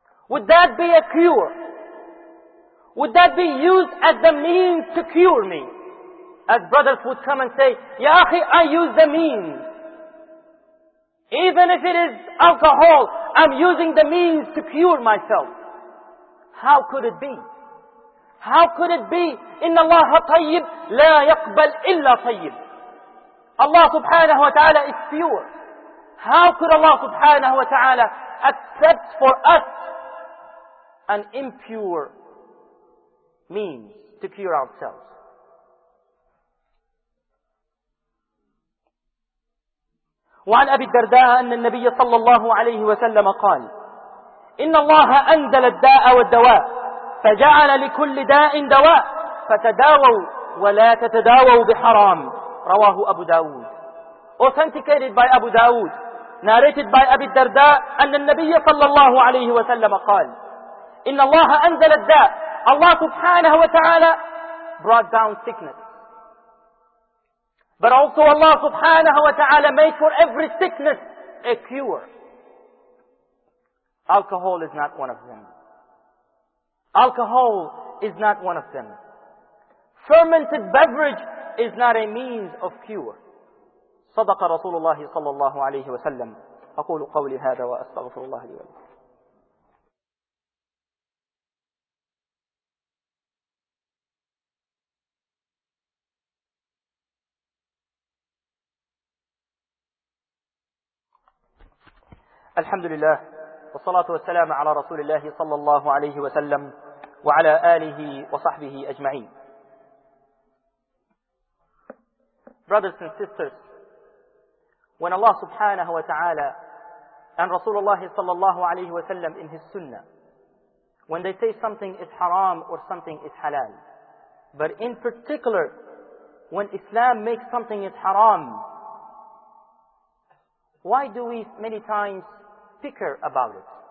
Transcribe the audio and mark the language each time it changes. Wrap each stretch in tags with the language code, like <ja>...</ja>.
<en>Would that be a cure? Would that be used as the means to cure me? As brothers would come and say, Ya akhi, I use the means. Even if it is alcohol, I'm using the means to cure myself. How could it be? How could it be?</en> <ar>إن الله طيب لا يقبل إلا طيب.</ar> <en>Allah subhanahu wa ta'ala is pure. How could Allah subhanahu wa ta'ala accept for us an impure means to cure ourselves?</en> <ar>وعن أبي الدرداء أن النبي صلى الله عليه وسلم قال إن الله أنزل الداء والدواء فجعل لكل داء دواء فتداووا ولا تتداووا بحرام رواه أبو داود</ar> <en>authenticated by</en> <ar>أبو داود narrated by أبي الدرداء أن النبي صلى الله عليه وسلم قال إن الله أنزل الداء الله سبحانه وتعالى</ar> <en>brought down sickness. But also Allah subhanahu wa ta'ala made for every sickness a cure. Alcohol is not one of them. Alcohol is not one of them. Fermented beverage is not a means of cure.</en> <ar>صدق رسول الله صلى الله عليه وسلم. أقول قولي هذا وأستغفر الله لي ولكم. الحمد لله والصلاة والسلام على رسول الله صلى الله عليه وسلم وعلى آله وصحبه أجمعين.</ar> <en>Brothers and sisters, when Allah سبحانه وتعالى and</en> <ar>رسول الله صلى الله عليه وسلم</ar> <en>in his sunnah, when they say something is haram or something is halal, But in particular, when Islam makes something is haram, why do we many times picker about it?</en>